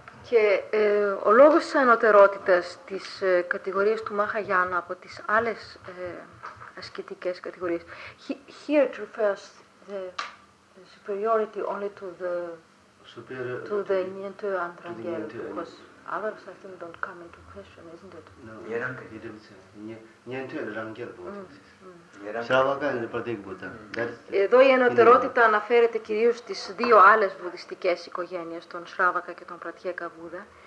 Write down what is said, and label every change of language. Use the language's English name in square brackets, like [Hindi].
[Greek] Και ο λόγος της ανωτερότητας της κατηγορίας του Mahayana από τις άλλες ασκητικές κατηγορίες. [English] Here it refers the superiority only to the superior to the Nyentu Andrangel, because others I think don't come into question, isn't it? No, Nyerangel. He didn't say Nyentu Andrangel. [Greek] Σραβακά είναι το πρώτο εκπομπτά. Εδώ η ανωτερότητα αναφέρεται κυρίως στις δύο άλλες βουδιστικές οικογένειες, τον Σραβακά και τον Πρατιέκα Βούδα.